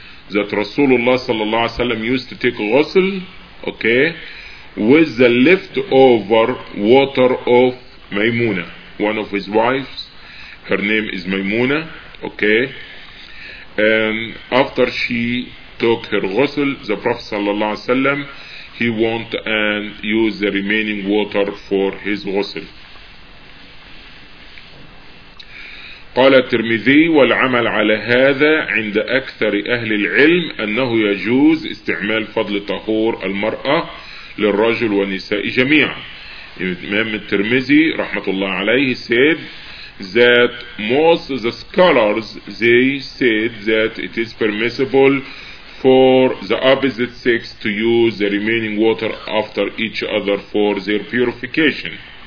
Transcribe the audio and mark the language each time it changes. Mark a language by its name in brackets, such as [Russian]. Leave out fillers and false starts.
[English] That Rasulullah sallallahu alayhi wa sallam used to take ghusl, okay, with the leftover water of Maymuna, one of his wives. Her name is Maymuna, okay. And after she took her ghusl, the Prophet sallallahu alayhi wa sallam, he went and used the remaining water for his ghusl. [Arabic] قال الترمذي والعمل على هذا عند أكثر أهل العلم أنه يجوز استعمال فضل طهور المرأة للرجل ونساء جميعا. [English] Imam al-Tirmidhi rahmatullah alayhi said that most of the scholars, they said that it is permissible for the opposite sex to use the remaining water after each other for their purification.